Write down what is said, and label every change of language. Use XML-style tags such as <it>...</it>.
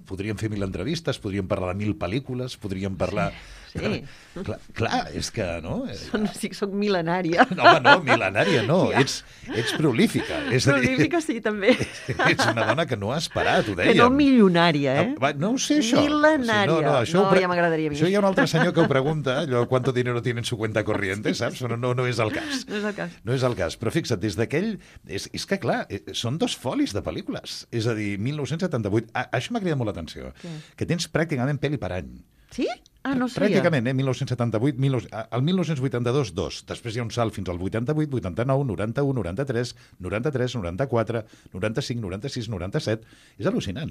<ca>Podríem fer 1.000 entrevistes, podríem parlar de 1.000 pel·lícules, podríem parlar... Sí. Clar, és que... No? Soc mil·lenària. No, home, mil·lenària no. Ja. Ets prolífica. És prolífica, a dir, sí, també. Ets una dona que no has parat, ho dèiem. Que no milionària, eh? No ho sé, això. Mil·lenària. O sigui, ja m'agradaria més. Això hi ha un altre senyor que ho pregunta, allò,</ca> <es>¿cuánto dinero tiene en su cuenta corriente?</es> <ca>Sí. Saps? No és el cas. No és el cas. No és el cas. Però fixa't, des d'aquell... És que, clar, són dos folis de pel·lícules. És a dir, 1978... Això m'ha cridat molt l'atenció. Que tens pràcticament pel·li per any. Sí? Ah, no sé. Pràcticament, 1978, el 1982, dos. Després hi ha un salt fins al 88, 89, 91, 93, 93, 94, 95, 96, 97. És al·lucinant.</ca>